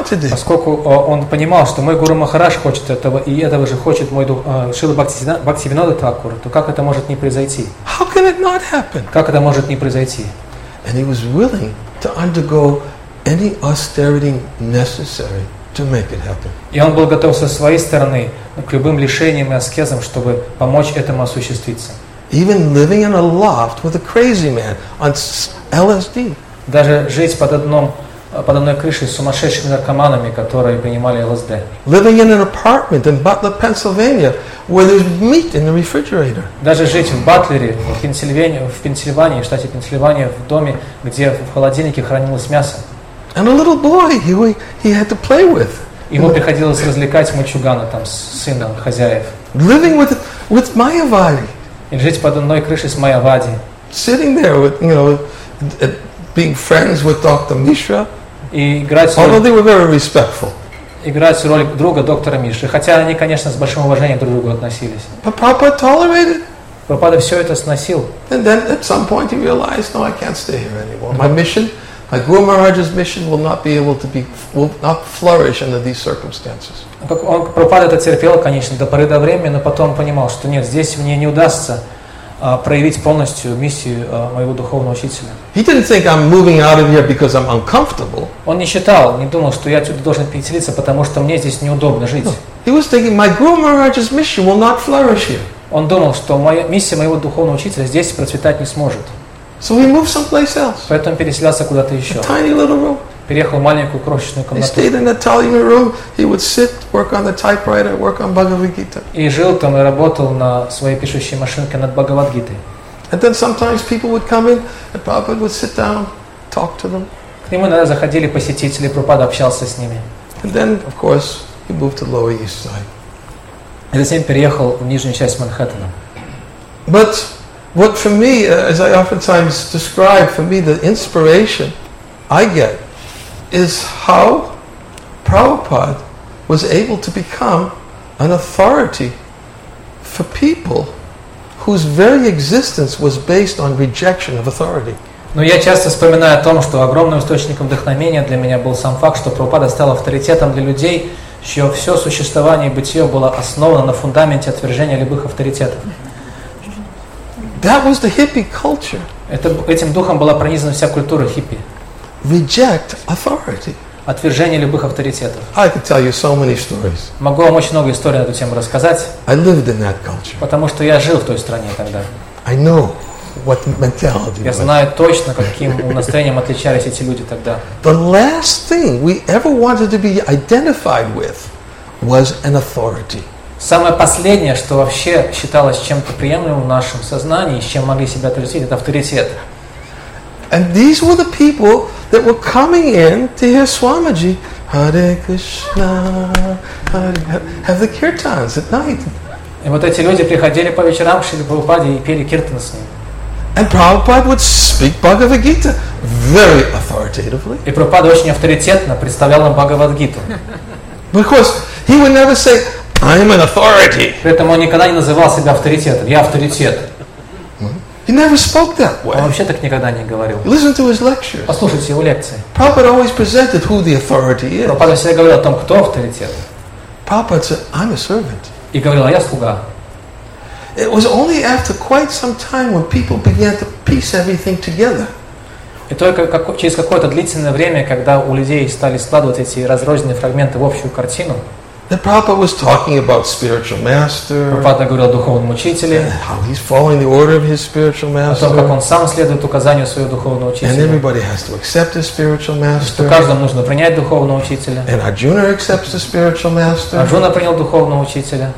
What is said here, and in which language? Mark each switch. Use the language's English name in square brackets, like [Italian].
[Russian] Поскольку он понимал, что мой Гуру Махарадж хочет этого, и этого же хочет мой Шрила Бхактивинода Тхакур, то как это может не произойти? [English] How can it not happen? [Russian] Как это может не произойти? [English] And he was willing to undergo any austerity necessary to make it happen. [Russian] И он был готов со своей стороны к любым лишениям и аскезам, чтобы помочь этому осуществиться. [English] Even living in a loft with a crazy man on LSD. [Russian] Даже жить под одной крышей с сумасшедшими наркоманами, которые принимали ЛСД. [English] Living in an apartment in Butler, Pennsylvania, where there's meat in the refrigerator. [Russian] Даже жить в Батлере, в Пенсильвании, в штате Пенсильвания, в доме, где в холодильнике хранилось мясо. [English] And a little boy he had to play with. [Russian] Ему приходилось развлекать мальчугана там с сыном хозяев. [English] Living with Mayavadi. [Russian] И жить под одной крышей с Mayavadi. [English] Sitting there with, you know, being friends with Dr. Mishra, although they were very respectful. [Russian] Играть роль друга доктора Мишры, хотя они, конечно, с большим уважением друг к другу относились. [English] But Papa tolerated. [Russian] Прабхупада все это сносил. [English] And then at some point he realized, no, I can't stay here anymore. My mission, my Guru Maharaj's mission will not be able to be, will not flourish under these circumstances. [Russian] Прабхупада это терпел, конечно, до поры до времени, но потом понимал, что нет, здесь мне не удастся проявить полностью миссию моего духовного учителя. [English] He didn't think I'm moving out of here because I'm uncomfortable. [Russian] Он не считал, не думал, что я отсюда должен переселиться, потому что мне здесь неудобно жить. [English] He was thinking my Guru Maharaj's mission will not flourish here. [Russian] Он думал, что миссия моего духовного учителя здесь процветать не сможет. [English] So he moved someplace else. [Russian] Поэтому переселился куда-то еще. [English] A tiny little room. [Russian] Переехал в маленькую крошечную комнату. [English] He stayed in an Italian room. He would sit, work on the typewriter, work on Bhagavad Gita. [Russian] И жил там и работал на своей пишущей машинке над Бхагавад Гитой. [English] And then sometimes people would come in, and Prabhupada would sit down, talk to them. [Russian] К нему иногда заходили посетители, Прабхупада общался с ними. [English] And then, of course, he moved to the Lower East Side. [Russian] И затем переехал в нижнюю часть Манхэттена. [English] But what for me, as I oftentimes describe, for me the inspiration I get is how Prabhupada was able to become an authority for people whose very existence was based on rejection of authority. [Russian] Но я часто вспоминаю о том, что огромным источником вдохновения для меня был сам факт, что Прабхупада стал авторитетом для людей, чье все существование и бытие было основано на фундаменте отвержения любых авторитетов. [English] That was the hippie culture. [Russian] Это, этим духом была пронизана вся культура хиппи. [English] Reject authority. [Russian] Отвержение любых авторитетов. [English] I could tell you so many stories. [Russian] Могу вам очень много историй на эту тему рассказать. [English] I lived in that culture. [Russian] Потому что я жил в той стране тогда. [English] I know what mentality. [Russian] Я знаю точно, каким настроением отличались эти люди тогда. [English] The last thing we ever wanted to be identified with was an authority. [Russian] Самое последнее, что вообще считалось чем-то приемлемым в нашем сознании, с чем могли себя отрицать, это авторитет. [English] And these were the people that were coming in to hear Swamiji, Hare Krishna, Hare, have the kirtans at night. [Russian] И вот эти люди приходили по вечерам к Шри Прабхупаде и пели киртан с ним. [English] And Prabhupada would speak Bhagavad Gita very authoritatively. [Russian] И Прабхупада очень авторитетно представлял нам Бхагавад Гиту. [English] Because he would never say, I'm an authority. [Russian] Поэтому он никогда не называл себя авторитетом. Я авторитет. [English] He never spoke that way. [Russian] Он вообще так никогда не говорил. [English] Listen to his lectures. [Russian] Послушайте его лекции. [English] Prabhupada always presented who the authority is. [Russian] Прабхупада всегда говорил о том, кто авторитет. [English] Prabhupada said, I'm a servant. [Russian] И говорил, а я слуга. [English] It was only after quite some time when people began to piece everything together. [Russian] И только через какое-то длительное время, когда у людей стали складывать эти разрозненные фрагменты в общую картину, [English] that Prabhupada was talking about spiritual master. [Russian] Prabhupada говорил о духовном учителе. [English] How he's following the order of his spiritual master. [Russian] О том, как он сам следует указанию своего духовного учителя. [English] And everybody has to accept his spiritual master. [Russian] Что каждому нужно принять духовного учителя. [English] And Arjuna accepts the spiritual master. [Russian] Арджуна принял духовного учителя.